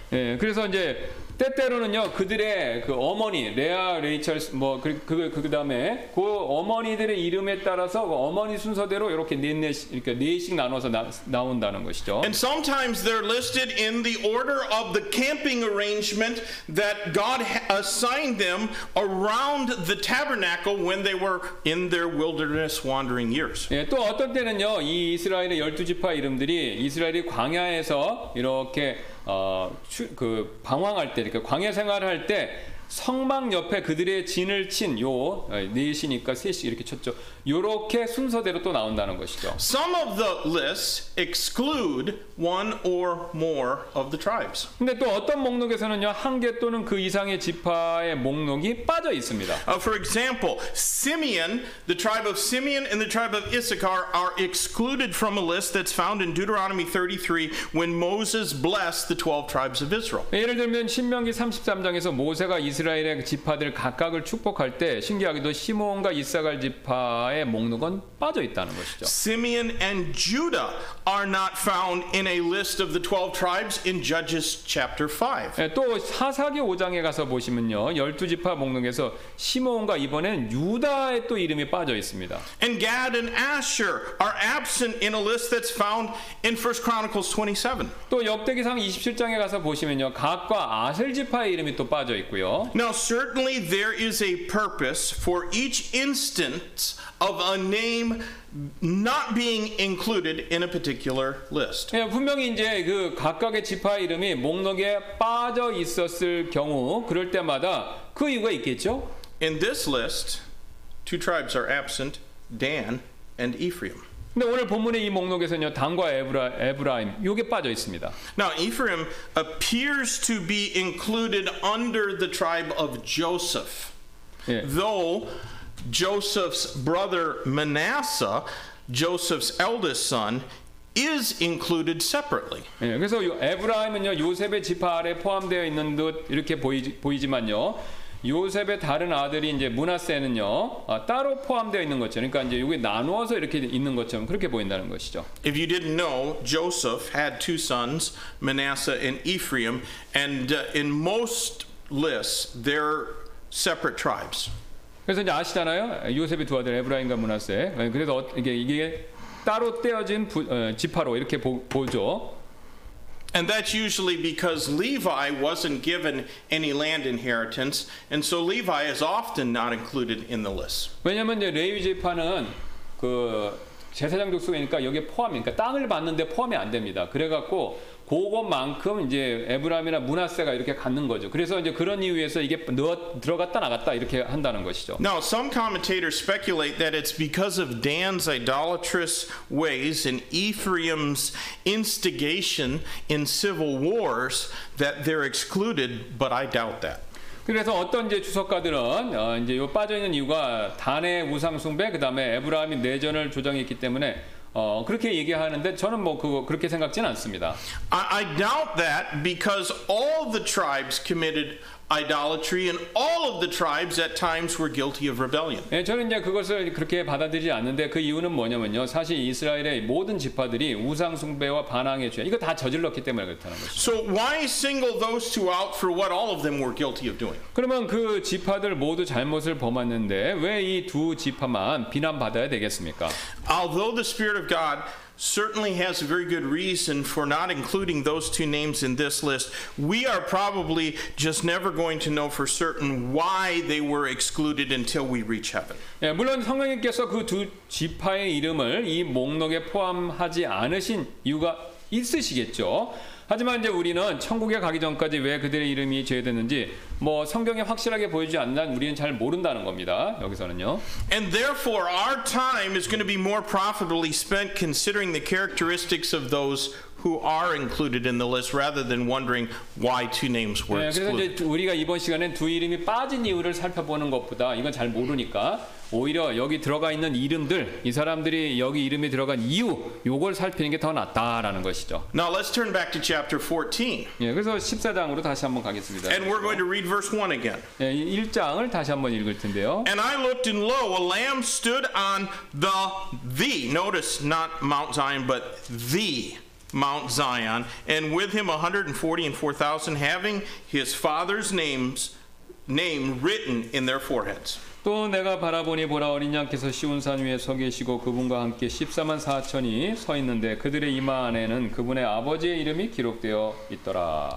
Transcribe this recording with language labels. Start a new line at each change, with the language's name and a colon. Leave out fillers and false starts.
Korean: 예, 그래서 이제 때때로는요 그들의 그 어머니 레아 레이첼 뭐 그 다음에 그 어머니들의 이름에 따라서 그 어머니 순서대로 이렇게 넷씩 이렇게 넷씩 나눠서 나온다는 것이죠.
English: And sometimes they're listed in the order of the camping arrangement that God assigned them around the tabernacle when they were in their wilderness wandering years.
Korean: 예, 또 어떤 때는요 이 이스라엘의 열두 지파 이름들이 이스라엘이 광야에서 이렇게 그 방황할 때, 그러니까 광야 생활할 때 성막 옆에 그들의 진을 친 요 넷이니까 셋이 이렇게 쳤죠. 요렇게 순서대로 또 나온다는 것이죠.
English: Some of the lists exclude one or more of the tribes.
Korean: 근데 또 어떤 목록에서는요 한 개 또는 그 이상의 지파의 목록이 빠져 있습니다.
English: For example, Simeon, the tribe of Simeon and the tribe of Issachar are excluded from a list that's found in Deuteronomy 33 when Moses blessed the 12 tribes of Israel.
Korean: 예를 들면 신명기 33장에서 모세가 이스라엘의 지파들 각각을 축복할 때 신기하게도 시므온과 이사갈 지파의 목록은 빠져 있다는 것이죠.
English: Simeon and Judah are not found in a list of the 12 tribes in Judges chapter 5.
Korean: 또 사사기 5장에 가서 보시면요. 12 지파 목록에서 시므온과 이번엔 유다의 또 이름이 빠져 있습니다.
English: And Gad and Asher are absent in a list that's found in 1 Chronicles 27.
Korean: 또 역대기상 27장에 가서 보시면요. 갓과 아셀 지파의 이름이 또 빠져 있고
English: Now, certainly there is a purpose for each instance of a name not being included in a particular list.
Korean: 예, 분명히 이제 그 각각의 지파 이름이 목록에 빠져 있었을 경우 그럴 때마다 그 이유가 있겠죠?
English: In this list, two tribes are absent, Dan and Ephraim.
Korean: 근데 오늘 본문의 이 목록에서는요, 단과 에브라임, 이게 빠져 있습니다.
English: Now Ephraim appears to be included under the tribe of Joseph, 예. though Joseph's brother Manasseh, Joseph's eldest son, is included separately.
Korean: 예, 그래서 요 에브라임은요, 요셉의 지파 아래 포함되어 있는 듯 이렇게 보이지만요. 요셉의 다른 아들이 이제 므낫세는요 따로 포함되어 있는 것처럼 그러니까 이제 이게 나누어서 이렇게 있는 것처럼 그렇게 보인다는 것이죠.
English: If you didn't know, Joseph had two sons, Manasseh and Ephraim, and in most lists, they're separate tribes.
Korean: 그래서 이제 아시잖아요, 요셉의 두 아들 에브라임과 므낫세. 그래서 이게 따로 떼어진 지파로 이렇게 보죠.
English: And that's usually because Levi wasn't given any land inheritance, and so Levi is often not included in the list.
Korean: 왜냐면 이제 레위 지파는 그 제사장 족속이니까 여기에 포함이, 그러니까 땅을 받는데 포함이 안 됩니다. 그래갖고 그것만큼 이제 에브라임이나 므낫세가 이렇게 갖는 거죠. 그래서 이제 그런 이유에서 이게 들어갔다 나갔다 이렇게 한다는 것이죠.
English: Now some commentators speculate that it's because of Dan's idolatrous ways and Ephraim's instigation in civil wars that they're excluded, but I doubt that.
Korean: 그래서 어떤 이제 주석가들은 이제 요 빠져 있는 이유가 단의 우상숭배, 그다음에 에브라임이 내전을 조장했기 때문에 그렇게 얘기하는데 저는 뭐 그거 그렇게 생각지는 않습니다.
English: I doubt that because all the tribes committed idolatry and all of the tribes at times were guilty of rebellion.
Korean: 예, 저는 이제 그것을 그렇게 받아들이지 않는데 그 이유는 뭐냐면요. 사실 이스라엘의 모든 지파들이 우상 숭배와 반항에 취해 이거 다 저질렀기 때문에 그렇다는 것이죠.
English: So why single those two out for what all of them were guilty of doing?
Korean: 그러면 그 지파들 모두 잘못을 범했는데 왜 이 두 지파만 비난받아야 되겠습니까?
English: Although the Spirit of God certainly has a very good reason for not including those two names in this list. We are probably just never going to know for certain why they were excluded until we reach heaven.
Korean: 예, 물론 성령님께서 그 두 지파의 이름을 이 목록에 포함하지 않으신 이유가 있으시겠죠. 하지만 이제 우리는 천국에 가기 전까지 왜 그들의 이름이 제외됐는지 뭐 성경에 확실하게 보여주지 않는 우리는 잘 모른다는 겁니다. 여기서는요.
English: And therefore our time is going to be more profitably spent considering the characteristics of those who are included in the list rather than wondering why two names were excluded.
Korean: 그래서 이제 우리가 이번 시간에 두 이름이 빠진 이유를 살펴보는 것보다 이건 잘 모르니까 오히려 여기 들어가 있는 이름들 이 사람들이 여기 이름이 들어간 이유 요걸 살피는 게 더 낫다라는 것이죠.
English: Now let's turn back to chapter 14.
Korean: 예, 그래서 14장으로 다시 한번 가겠습니다.
English: And we're going to read verse 1 again.
Korean: 예, 1장을 다시 한번 읽을 텐데요.
English: And I looked and lo, a lamb stood on the notice not Mount Zion but the Mount Zion, and with him 144,000 having his father's name written in their foreheads.
Korean: 또 내가 바라보니 보라 어린 양께서 시온 산 위에 서 계시고 그분과 함께 14만 4천이 서 있는데 그들의 이마 안에는 그분의 아버지의 이름이 기록되어 있더라.